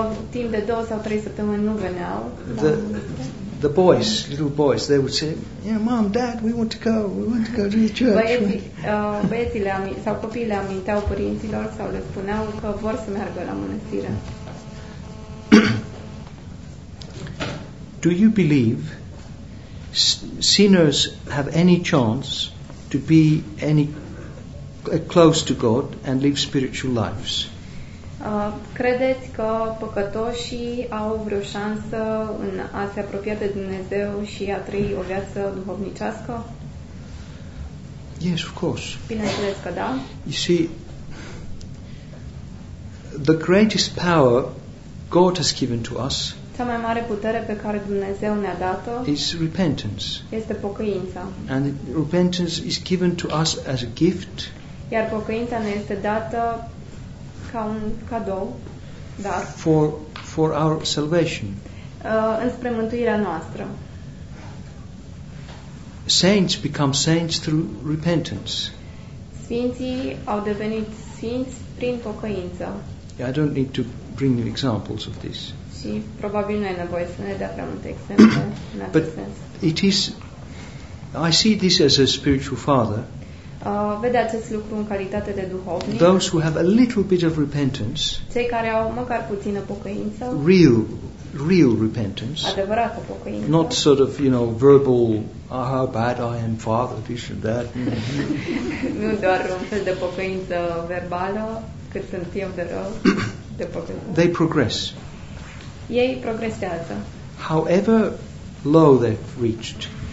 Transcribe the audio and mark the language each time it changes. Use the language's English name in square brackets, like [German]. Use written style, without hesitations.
[Romanian] Timp de 2 sau 3 săptămâni nu veneau. [English] The boys, little boys, they would say, "Yeah, mom, dad, we want to go to the church." [Romanian] Băieții sau copiile aminteau părinților sau le spuneau că vor să meargă la mănăstire. [English] Do you believe sinners have any chance to be close to God and live spiritual lives? [Romanian] Credeți că păcătoșii au vreo șansă în a se apropia de Dumnezeu și a trăi o viață duhovnicească? [English] Yes, of course. [Romanian] Bineînțeles că da. [English] You see, the greatest power God has given to us, [Romanian] cea mai mare putere pe care Dumnezeu ne-a dat-o, [English] is repentance. [Romanian] Este pocăința. [English] And repentance is given to us as a gift. [Romanian] Iar pocăința ne este dată ca un cadou, dar [English] for our salvation. [Romanian] Înspre mântuirea noastră. [English] Saints become saints through repentance. [Romanian] Sfinții au devenit sfinți prin pocăință. [English] Yeah, I don't need to bring you examples of this. [Romanian] Și probabil nu e nevoie să ne dea prea multe exemple în acest sens. [English] It is, I see this as a spiritual father. [Romanian] Vede acest lucru în calitate de duhovnic. [English] Those who have a little bit of repentance. [Romanian] Cei care au măcar puțină pocăință. [English] Real repentance. [Romanian] Adevărată pocăință. [English] Not sort of, you know, verbal, "Oh, how bad I am, Father, this and that." [Romanian] Nu doar un fel de pocăință verbală, cât sunt eu de rău de pocăință. [English] They progress. [Romanian] Ei progresează. [English] However low they've reached.